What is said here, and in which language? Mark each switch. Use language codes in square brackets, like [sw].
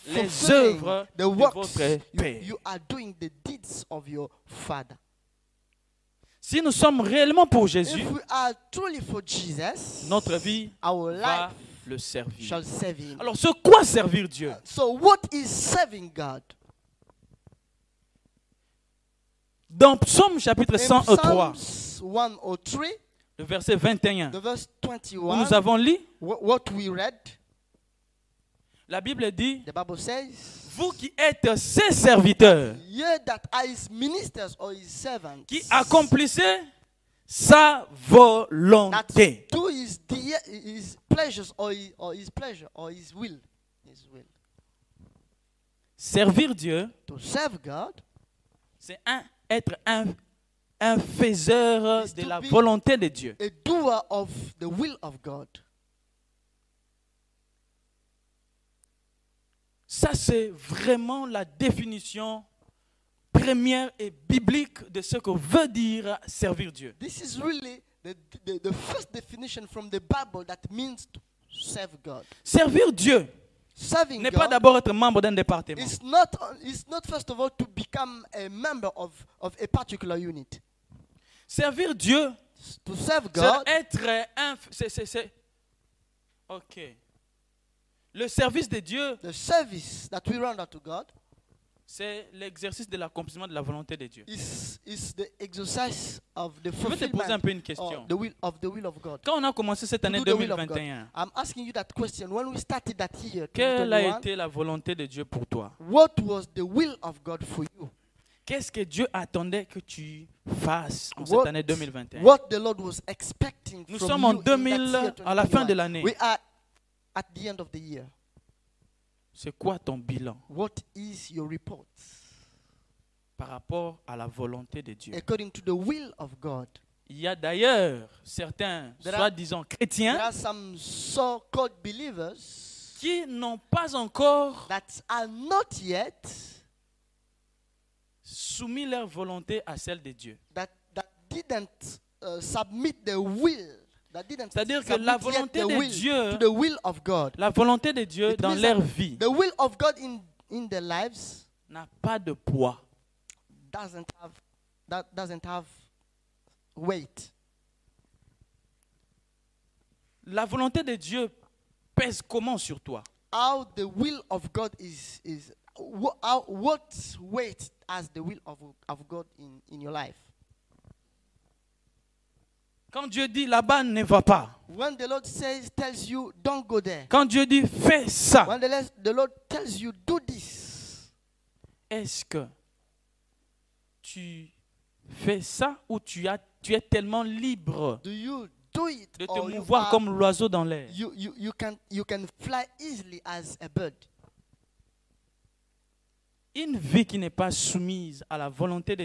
[fr] les œuvres de votre père. [en] You are doing the deeds of your father. [fr] Si nous sommes réellement pour Jésus, [en] if we are truly for Jesus, [fr] notre vie [en] our life [fr] va le servir. [en] Shall serve him. [fr] Alors, ce quoi servir Dieu? [en] So what is serving God? [fr] Dans Psaume chapitre 103, [en] Psalms 103, [fr] le verset 21, [en] the verse 21, [fr] où nous avons lu, [en] what we read, [fr] la Bible dit, [en] the Bible says, [fr] vous qui êtes ses serviteurs, [en] that are his ministers or his servants, [fr] qui accomplissez sa volonté. [en] To his pleasures or his pleasure or his will. His will. [fr] Servir Dieu. [en] To serve God. [fr] C'est être un faiseur de la volonté de Dieu. [en] A doer of the will of God. [fr] Ça c'est vraiment la définition première et biblique de ce que veut dire servir Dieu. [en] This is really the first definition from the Bible that means to serve God. [fr] Servir Dieu [en] serving [fr] n'est [en] God [fr] pas d'abord être membre d'un département. [en] It's not first of all to become a member of a particular unit. [fr] Servir Dieu [en] to serve God [fr] c'est être un c'est OK. Le service de Dieu, [en] the service that we render to God, [fr] c'est l'exercice de l'accomplissement de la volonté de Dieu. [en] It's the exercice of the fulfillment. [fr] Je vais te poser un peu une question. [en] The will of the will of God. [fr] Quand on a commencé cette année 2021, [en] I'm asking you that question. When we started that year, [fr] quelle a été la volonté de Dieu pour toi? [en] What was the will of God for you? [fr] Qu'est-ce que Dieu attendait que tu fasses en cette année 2021? [en] What the Lord was expecting from you? [fr] Nous sommes en 2000 à la fin de l'année. [en] We are at the end of the year. [fr] C'est quoi ton bilan? [en] What is your report? [fr] Par rapport à la volonté de Dieu. [en] According to the will of God. [fr] Il y a d'ailleurs certains soi-disant chrétiens, [en] there are some so-called believers, [fr] qui n'ont pas encore [en] that are not yet [fr] soumis leur volonté à celle de Dieu. [en] That didn't submit the will. [fr] C'est-à-dire que la volonté de [en] will, [fr] Dieu, [en] to the will of God, [fr] la volonté de Dieu dans leur vie, [en] the will of God in their lives, [fr] n'a pas de poids. [en] Doesn't have weight. [fr] La volonté de Dieu pèse comment sur toi? [en] How the will of God is what weight has the will of God in your life? [fr] Quand Dieu dit là-bas ne va pas. [en] When the Lord says tells you don't go there. [fr] Quand Dieu dit fais ça. [en] When the Lord tells you do this. [fr] Est-ce que tu fais ça ou tu es tellement libre de te mouvoir comme l'oiseau dans l'air? [en] You can fly easily as a bird. [fr] Une vie qui n'est pas soumise à la volonté de